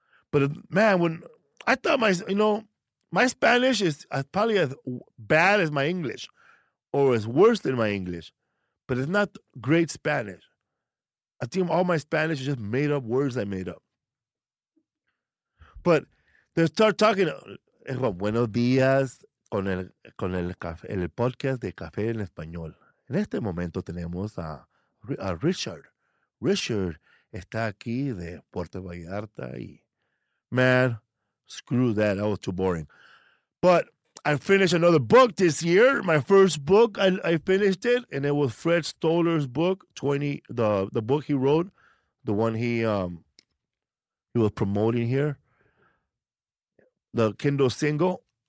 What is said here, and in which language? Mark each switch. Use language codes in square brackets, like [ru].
[en] But, man, when I thought my Spanish is probably as bad as my English or as worse than my English, but it's not great Spanish. I think all my Spanish is just made up words I made up. But they start talking, buenos días con el café, el podcast de Café en Español. [es] En este momento tenemos a Richard. Richard está aquí de Puerto Vallarta. [en] Man, screw that. That was too boring. But I finished another book this year. My first book, I finished it, and it was Fred Stoller's book, the book he wrote, the one he was promoting here, the Kindle single.